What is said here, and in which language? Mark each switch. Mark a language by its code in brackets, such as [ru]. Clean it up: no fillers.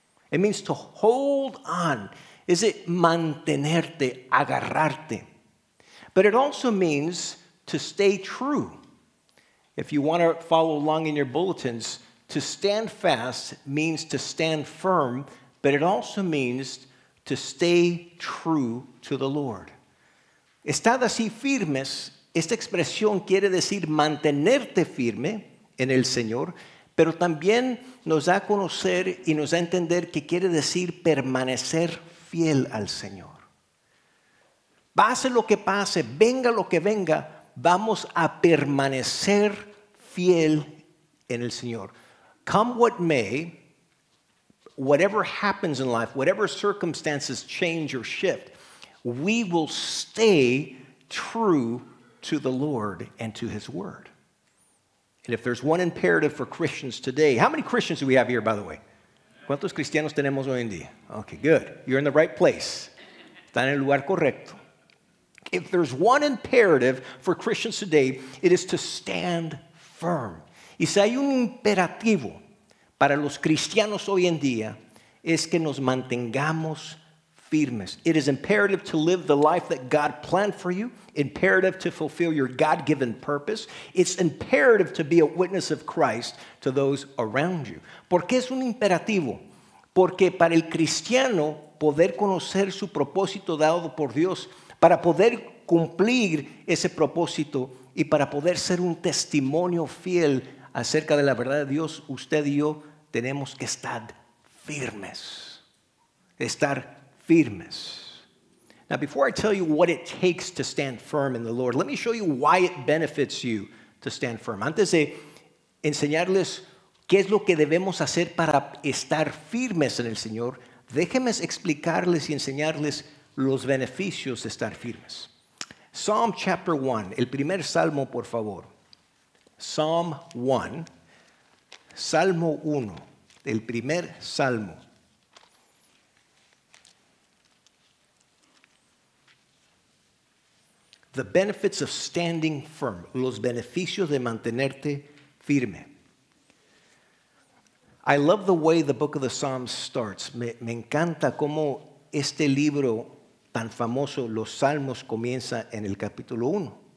[en] It means to hold on. Is it [es] mantenerte, agarrarte. [en] But it also means to stay true. If you want to follow along in your bulletins, to stand fast means to stand firm, but it also means to stay true to the Lord. [es] Estad así firmes, esta expresión quiere decir mantenerte firme en el Señor, pero también nos da a conocer y nos da a entender que quiere decir permanecer fiel al Señor. Pase lo que pase, venga lo que venga, vamos a permanecer fiel en el Señor. [en] Come what may, whatever happens in life, whatever circumstances change or shift, we will stay true to the Lord and to His Word. And if there's one imperative for Christians today, how many Christians do we have here, by the way? [es] ¿Cuántos cristianos tenemos hoy en día? [en] Okay, good. You're in the right place. [es] Están en el lugar correcto. [en] If there's one imperative for Christians today, it is to stand firm. [es] Y si hay un imperativo para los cristianos hoy en día, es que nos mantengamos firmes. [en] It is imperative to live the life that God planned for you, imperative to fulfill your God-given purpose. It's imperative to be a witness of Christ to those around you. [es] ¿Por qué es un imperativo? Porque para el cristiano poder conocer su propósito dado por Dios, para poder cumplir ese propósito y para poder ser un testimonio fiel acerca de la verdad de Dios, usted y yo tenemos que estar firmes. Estar firmes. [en] Now, before I tell you what it takes to stand firm in the Lord, let me show you why it benefits you to stand firm. [es] Antes de enseñarles qué es lo que debemos hacer para estar firmes en el Señor, déjenme explicarles y enseñarles los beneficios de estar firmes. [en] Psalm chapter 1, [es] el primer salmo, por favor. Psalm 1, Salmo 1, el primer salmo. [en] The benefits of standing firm. [es] Los beneficios de mantenerte firme. [en] I love the way the book of the Psalms starts. [es] Me encanta cómo este libro tan famoso, Los Salmos, comienza en el capítulo 1.